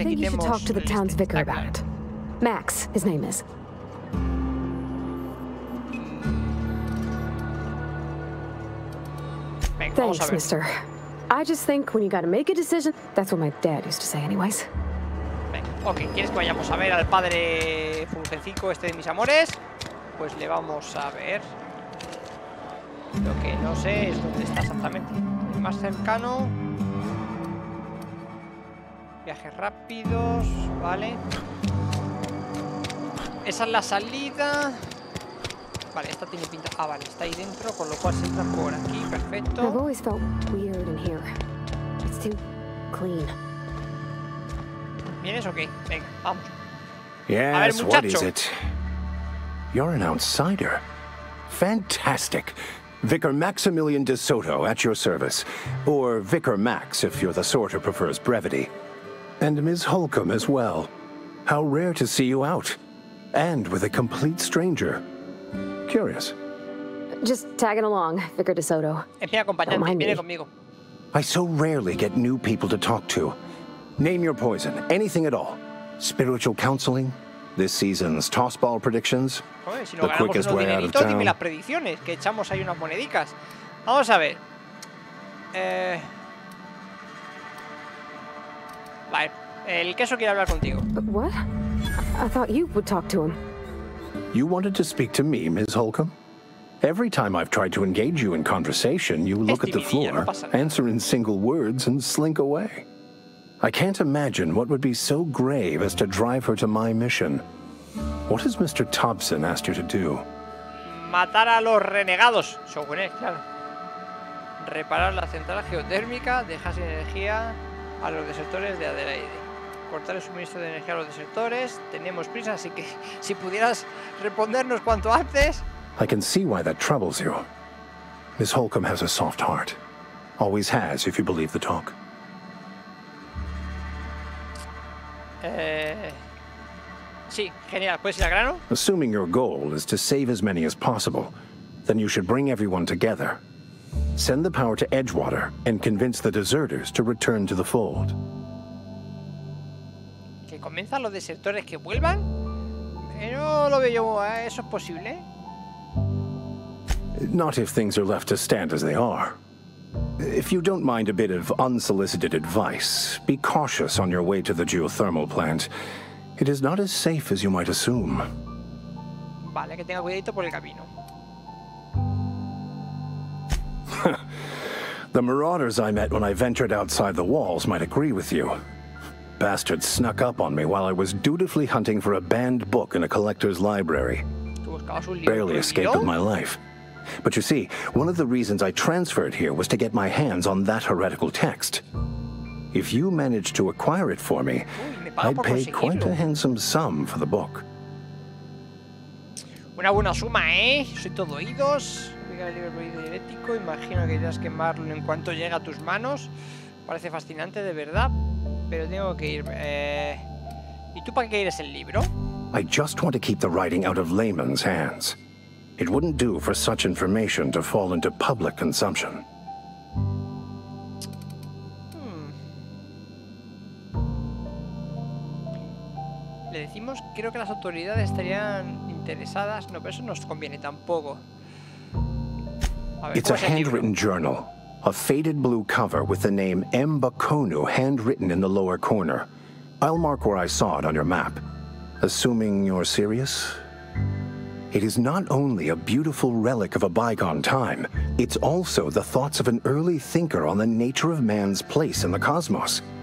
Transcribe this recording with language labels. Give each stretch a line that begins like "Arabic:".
English: I think
Spanish: quitemos
English: you should talk to the town's vicar about it. Max, his name is.
Spanish: Venga,
English: thanks,
Spanish: vamos a ver.
English: Mister. I just think when you gotta make a decision, that's what my dad used to say anyways.
Spanish: Venga, ok, ¿quieres que vayamos a ver al padre Fulgencico, este de mis amores? Pues le vamos a ver. Lo que no sé es dónde está exactamente. El más cercano. Viajes rápidos, vale. Esa es la salida. Vale, esta tiene pinta. Ah, vale, está ahí dentro, con lo cual se entra por aquí, perfecto.
English: I've always felt weird in here. It's too clean.
Spanish: ¿Vienes o qué? Venga, vamos.
English: Yes,
Spanish: a ver, muchacho.
English: What is it? You're an outsider. Fantastic. Vicar Maximilian de Soto at your service. Or Vicar Max, if you're the sort who prefers brevity. And Ms. Holcomb as well. How rare to see you out. And with a complete stranger. Curious. Just tagging along, Vicar de Soto. Don't mind me. I so rarely get new people to talk to. Name your poison, anything at all. Spiritual counseling? This season's tossball predictions?
Spanish: Si no ganamos unos dineritos, dime las predicciones, que echamos ahí unas monedicas. Vamos a ver. Vale, el queso quiere hablar contigo.
English: What? I thought you would talk to him. You wanted to speak to me, Ms. Holcomb? Every time I've tried to engage you in conversation, you look at the floor, answer in single words, and slink away. I can't imagine what would be so grave as to drive her to my mission. What has Mr. Thompson asked you to do?
Spanish: Matar a los renegados. Según él, claro. Reparar la central geotérmica, dejar sin energía a los desertores de Adelaide. Cortar el suministro de energía a los desertores. Tenemos prisa, así que si pudieras respondernos cuanto antes.
English: I can see why that troubles you. Miss Holcomb has a soft heart. Always has, if you believe the talk.
Spanish: Sí, genial. ¿Puedes ir al grano?
English: Assuming your goal is to save as many as possible, then you should bring everyone together. Send the power to Edgewater and convince the deserters to return to the fold.
Spanish: ¿Que convenza a los desertores que vuelvan? No lo veo yo. ¿Eso es posible?
English: Not if things are left to stand as they are. If you don't mind a bit of unsolicited advice, be cautious on your way to the geothermal plant. It is not as safe as you might assume.
Spanish: Vale, que tenga cuidadito por el camino.
English: The marauders I met when I ventured outside the walls might agree with you. Bastards snuck up on me while I was dutifully hunting for a banned book in a collector's library. Barely escaped with my life. But you see, one of the reasons I transferred here was to get my hands on that heretical text. If you managed to acquire it for me, I'd pay quite a handsome sum for the book.
Spanish: Una buena suma, Soy todo oídos. Pegar el libro heretico. Imagino que irás a quemarlo en cuanto llegue a tus manos. Parece fascinante, de verdad. Pero tengo que ir. ¿Y tú para qué quieres el libro?
English: I just want to keep the writing out of layman's hands. It wouldn't do for such information to fall into public consumption.
Spanish: Le decimos, creo que las autoridades estarían interesadas. No, pero eso no nos conviene tampoco.
English: It's a handwritten journal. A faded blue cover with the name M. Bakonu handwritten in the lower corner. I'll mark where I saw it on your map. Assuming you're serious? It is not only a beautiful relic of a bygone time, it's also the thoughts of an early thinker on the nature of man's place in the cosmos.